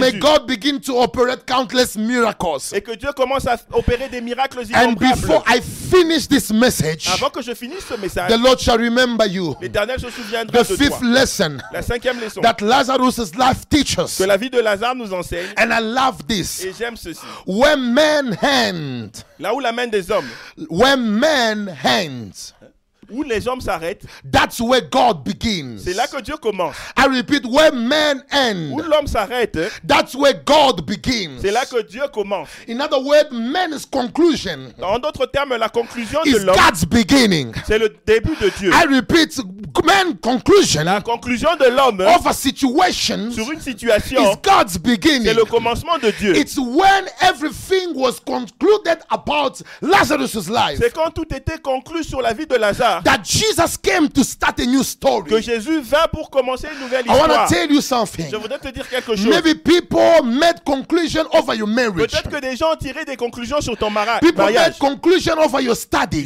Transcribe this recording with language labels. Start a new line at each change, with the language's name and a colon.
English: may God begin to operate countless miracles.
French: Et que Dieu commence à opérer des miracles innombrables.
English: And before I finish this message,
French: avant que je finisse ce message,
English: the Lord shall remember you.
French: L'Éternel se souviendra
English: the
French: de toi.
English: The fifth lesson.
French: La cinquième leçon.
English: That Lazarus's life teaches.
French: Que la vie de Lazare nous enseigne.
English: And I love this.
French: Et j'aime ceci.
English: When men hand.
French: Là où la main des hommes.
English: When men hand.
French: Où les hommes s'arrêtent.
English: That's where God begins.
French: C'est là que Dieu commence.
English: I repeat, where men end.
French: Où l'homme s'arrête.
English: That's where God begins.
French: C'est là que Dieu commence.
English: In other words, man's conclusion.
French: En d'autres termes, la conclusion
English: is
French: de l'homme.
English: God's beginning.
French: C'est le début de Dieu.
English: I repeat, man's conclusion.
French: La conclusion de l'homme.
English: Of a situation.
French: Sur une situation.
English: Is God's beginning.
French: C'est le commencement de Dieu.
English: It's when everything was concluded about Lazarus's life.
French: C'est quand tout était conclu sur la vie de Lazare.
English: That Jesus came to start a new story.
French: Que Jésus vint pour commencer une nouvelle histoire.
English: I want to tell you something.
French: Je voudrais te dire quelque chose.
English: Maybe people made conclusion over your marriage.
French: Peut-être que des gens ont tiré des conclusions sur ton mariage.
English: People made conclusion over your studies.